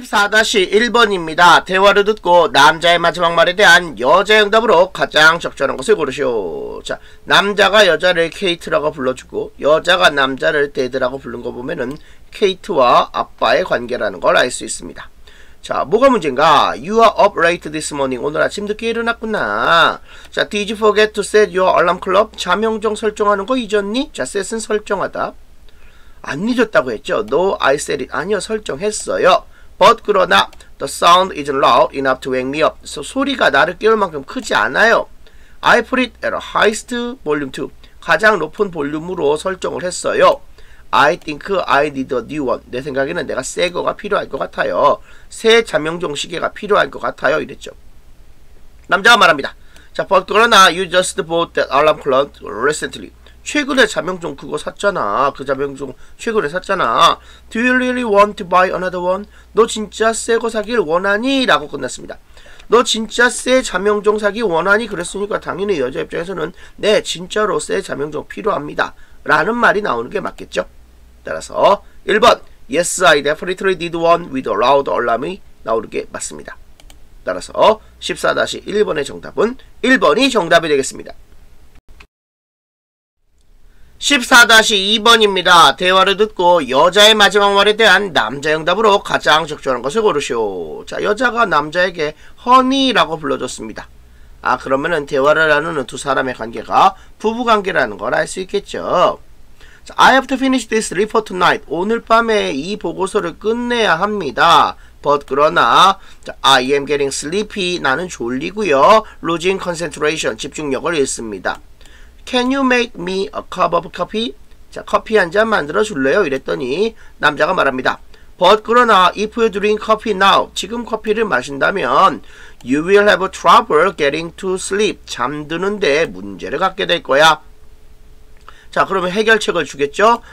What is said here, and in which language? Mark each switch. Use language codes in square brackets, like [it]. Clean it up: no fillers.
[ko] 14-1번입니다. 대화를 듣고 남자의 마지막 말에 대한 여자의 응답으로 가장 적절한 것을 고르시오. 자, 남자가 여자를 케이트라고 불러주고 여자가 남자를 데드라고 부른 거 보면은 케이트와 아빠의 관계라는 걸 알 수 있습니다. 자, 뭐가 문제인가? [en] You are up late this morning. [ko] 오늘 아침 늦게 일어났구나. [en] 자, did you forget to set your alarm clock? [ko] 잠영정 설정하는 거 잊었니? 자, set은 설정하다. 안 잊었다고 했죠? [en] No, I set it. [ko] 아니요, 설정했어요. [en] But [ko] 그러나 [en] the sound isn't loud enough to wake me up. [ko] So, 소리가 나를 깨울 만큼 크지 않아요. [en] I put it at a highest volume too. [ko] 가장 높은 볼륨으로 설정을 했어요. [en] I think I need a new one. [ko] 내 생각에는 내가 새 거가 필요할 것 같아요. 새 잠영정 시계가 필요할 것 같아요. 이랬죠. 남자가 말합니다. [en] 자, but [ko] 그러나 [en] you just bought that alarm clock recently. [ko] 최근에 잠영정 그거 샀잖아. 그 잠영정 최근에 샀잖아. [en] Do you really want to buy another one? [ko] 너 진짜 새 거 사길 원하니? 라고 끝났습니다. 너 진짜 새 잠영정 사기 원하니? 그랬으니까 당연히 여자 입장에서는 네, 진짜로 새 잠영정 필요합니다. 라는 말이 나오는 게 맞겠죠? 따라서 1번 [en] Yes, I definitely need one with a loud alarm [ko] 이 나오는 게 맞습니다. 따라서 14-1번의 정답은 1번이 정답이 되겠습니다. 14-2번입니다. 대화를 듣고 여자의 마지막 말에 대한 남자의 응답으로 가장 적절한 것을 고르시오. 자, 여자가 남자에게 허니라고 불러줬습니다. 아, 그러면은 대화를 나누는 두 사람의 관계가 부부 관계라는 걸 알 수 있겠죠. [en] I have to finish this report tonight. [ko] 오늘 밤에 이 보고서를 끝내야 합니다. [en] But [ko] 그러나 [en] I am getting sleepy. [ko] 나는 졸리고요. [en] Losing concentration. [ko] 집중력을 잃습니다. [en] Can you make me a cup of coffee? [ko] 자, 커피 한 잔 만들어 줄래요? 이랬더니 남자가 말합니다. [en] But [ko] 그러나 [en] if you drink coffee now, [ko] 지금 커피를 마신다면 [en] you will have trouble getting to sleep. [ko] 잠드는데 문제를 갖게 될 거야. 자, 그러면 해결책을 주겠죠?